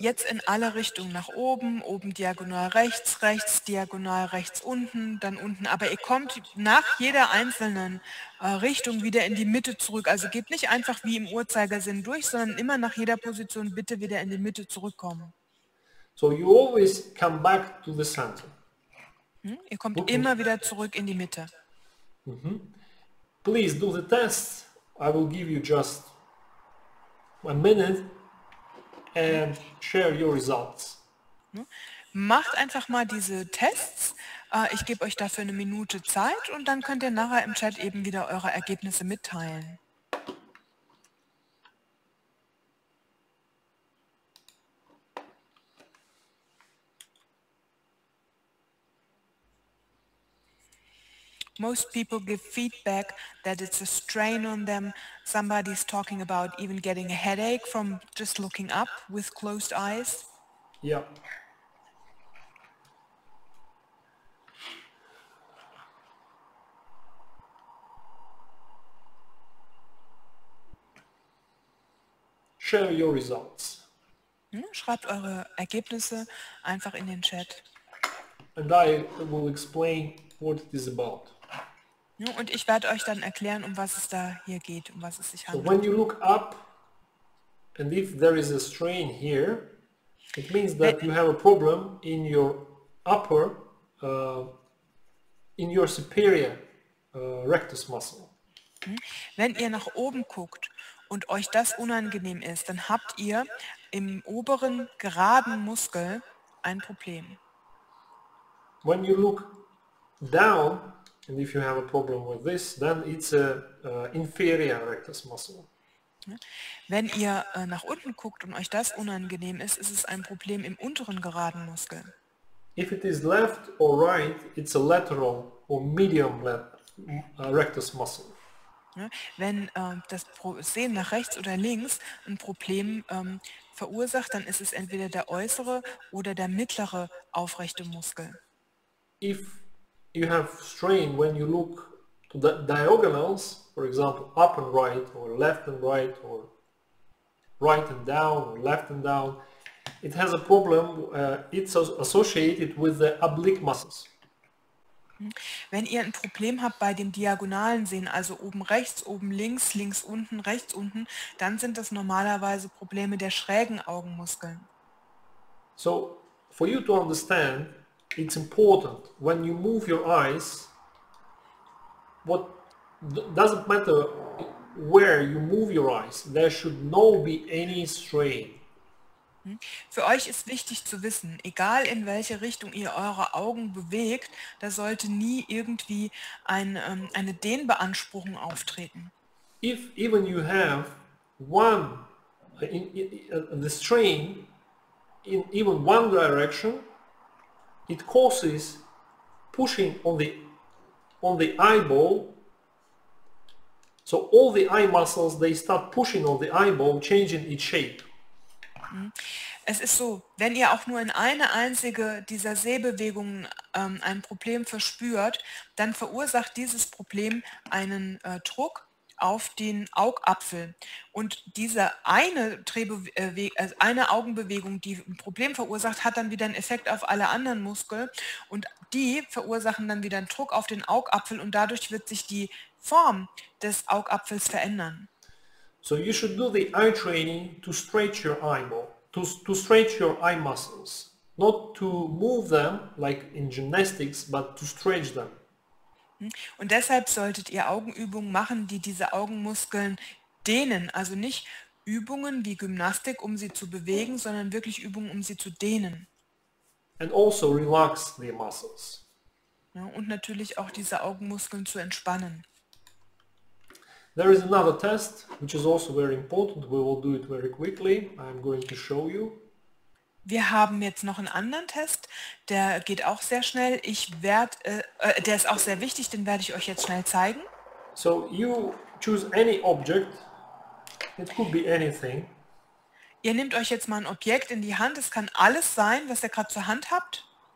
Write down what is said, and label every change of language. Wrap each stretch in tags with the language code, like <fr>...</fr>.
<de>Jetzt in alle Richtungen nach oben, oben diagonal rechts, rechts diagonal rechts unten, dann unten. Aber ihr kommt nach jeder einzelnen Richtung wieder in die Mitte zurück. Also geht nicht einfach wie im Uhrzeigersinn durch, sondern immer nach jeder Position bitte wieder in die Mitte zurückkommen.</de> <en>So you always come back to the center.</en> <de>Ihr kommt immer wieder zurück in die Mitte.</de> <en>Mm-hmm. Please do the test. I will give you just one minute and share your results.</en> <de>Macht einfach mal diese Tests. Ich gebe euch dafür eine Minute Zeit und dann könnt ihr nachher im Chat eben wieder eure Ergebnisse mitteilen.</de> <en>Most people give feedback that it's a strain on them. Somebody's talking about even getting a headache from just looking up with closed eyes. Yeah. Share your results.</en> <de>Schreibt eure Ergebnisse einfach in den Chat.</de> <en>And I will explain what it is about.</en> <de>Und ich werde euch dann erklären, um was es da hier geht, um was es sich handelt.</de> <en>So when you look up and if there is a strain here, it means that you have a problem in your upper, in your superior rectus muscle.</en> <de>Wenn ihr nach oben guckt und euch das unangenehm ist, dann habt ihr im oberen geraden Muskel ein Problem.</de> <en>When you look down, and if you have a problem with this, then it's a inferior rectus muscle.</en> <de>Wenn ihr nach unten guckt und euch das unangenehm ist, ist es ein Problem im unteren geraden Muskel.</de> <en>If it is left or right, it's a lateral or medium rectus muscle.</en> <de>Wenn das Sehen nach rechts oder links ein Problem verursacht, dann ist es entweder der äußere oder der mittlere aufrechte Muskel.</de> <en>If you have strain when you look to the diagonals, for example, up and right, or left and right, or right and down, or left and down, it has a problem, it's associated with the oblique muscles.</en> <de>Wenn ihr ein Problem habt bei dem diagonalen Sehen, also oben rechts, oben links, links unten, rechts unten, dann sind das normalerweise Probleme der schrägen Augenmuskeln.</de> <en>So, for you to understand, it's important when you move your eyes, what doesn't matter where you move your eyes, there should no be any strain.</en> <de>Für euch ist wichtig zu wissen, egal in welche Richtung ihr eure Augen bewegt, da sollte nie irgendwie eine Dehnbeanspruchung auftreten.</de> <en>If even you have one the strain in even one direction, it causes pushing on the eyeball, so all the eye muscles, they start pushing on the eyeball, changing its shape.</en> <de>Es ist so, wenn ihr auch nur in eine einzige dieser Sehbewegungen ein Problem verspürt, dann verursacht dieses Problem einen Druck auf den Augapfel. Und diese eine Augenbewegung, die ein Problem verursacht, hat dann wieder einen Effekt auf alle anderen Muskeln. Und die verursachen dann wieder einen Druck auf den Augapfel und dadurch wird sich die Form des Augapfels verändern.</de> <en>So you should do the eye training to stretch your eyeball, to stretch your eye muscles. Not to move them like in gymnastics, but to stretch them.</en> <de>Und deshalb solltet ihr Augenübungen machen, die diese Augenmuskeln dehnen. Also nicht Übungen wie Gymnastik, um sie zu bewegen, sondern wirklich Übungen, um sie zu dehnen.</de> <en>And also relax the muscles.</en> <de>Ja, und natürlich auch diese Augenmuskeln zu entspannen.</de> <en>There is another test, which is also very important. We will do it very quickly. I'm going to show you.</en> <de>Wir haben jetzt noch einen anderen Test, der geht auch sehr schnell. Ich werde, der ist auch sehr wichtig, den werde ich euch jetzt schnell zeigen. So you choose any object. It could be anything. Ihr nehmt euch jetzt mal ein Objekt in die Hand. Es kann alles sein, was ihr gerade zur Hand habt.</de>